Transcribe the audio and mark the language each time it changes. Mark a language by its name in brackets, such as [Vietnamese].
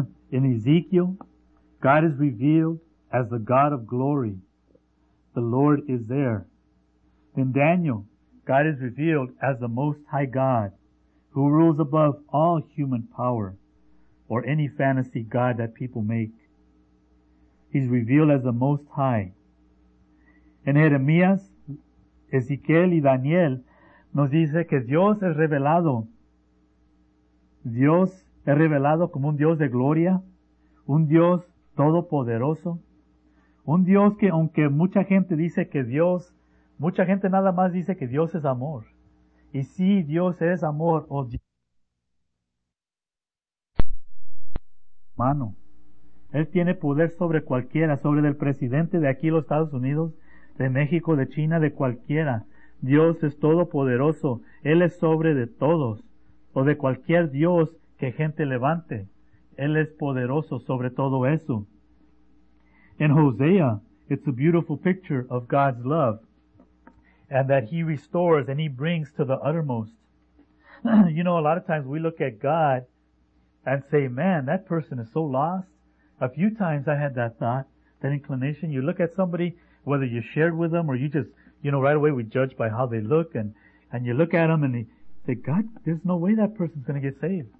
[English] In Ezekiel, God is revealed as the God of glory. The Lord is there. In Daniel, God is revealed as the Most High God who rules above all human power or any fantasy God that people make. He's revealed as the Most High. In [Spanish] Jeremías, Ezequiel y Daniel nos dice que Dios es revelado. Dios es revelado como un Dios de gloria, un Dios todopoderoso, un Dios que aunque mucha gente dice que Dios, mucha gente nada más dice que Dios es amor. Y sí, Dios es amor, oh Dios. Mano, Él tiene poder sobre cualquiera, sobre el presidente de aquí, los Estados Unidos, de México, de China, de cualquiera. Dios es todopoderoso, Él es sobre de todos, o de cualquier Dios que gente levante. Él es poderoso sobre todo eso. [English] In Hosea, it's a beautiful picture of God's love, and that He restores and He brings to the uttermost. You know, a lot of times we look at God and say, man, that person is so lost. A few times I had that thought, that inclination. You look at somebody, whether you shared with them or you just, you know, right away we judge by how they look, and you look at them and they say, God, there's no way that person's going to get saved.